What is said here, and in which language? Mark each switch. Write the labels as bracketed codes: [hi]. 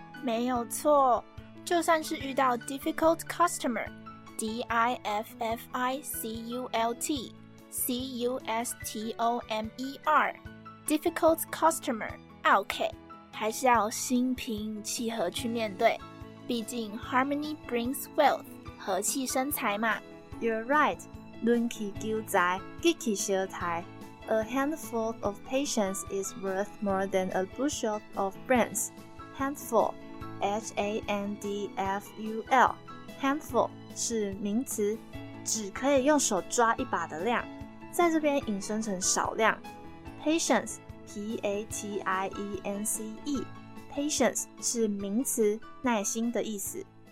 [zh] 没有错，就算是遇到 [en] difficult customer [zh] D-I-F-F-I-C-U-L-T C-U-S-T-O-M-E-R difficult customer OK 还是要心平气和去面对，毕竟 [en] harmony brings wealth， [zh] 和气生财嘛。 [en] You're right. [zh] 论起求财，激起小台。 [en] A handful of patience is worth more than a bushel of brains. Handful, H-A-N-D-F-U-L. [zh] Handful 是名词，只可以用手抓一把的量，在这边引申成少量。 [en] Patience, P-A-T-I-E-N-C-E. [zh] Patience 是名词，耐心的意思。